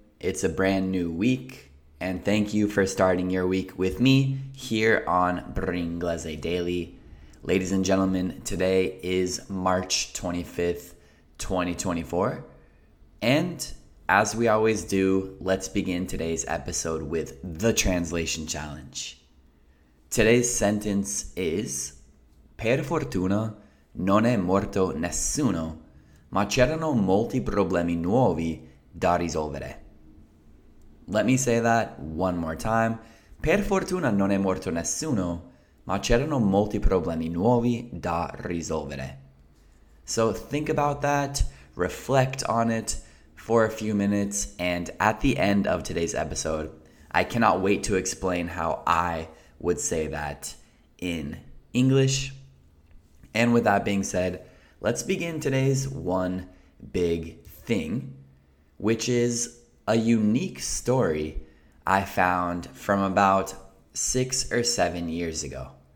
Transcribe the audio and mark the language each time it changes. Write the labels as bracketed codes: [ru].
[en] It's a brand new week, and thank you for starting your week with me here on Bringlese Daily. Ladies and gentlemen, today is March 25th, 2024, and as we always do, let's begin today's episode with the translation challenge. Today's sentence is, [it] per fortuna non è morto nessuno, ma c'erano molti problemi nuovi da risolvere. [en] Let me say that one more time. [it] Per fortuna non è morto nessuno, ma c'erano molti problemi nuovi da risolvere. [en] So think about that, reflect on it for a few minutes, and at the end of today's episode, I cannot wait to explain how I would say that in English. And with that being said, let's begin today's one big thing, which is a unique story I found from about 6 or 7 years ago.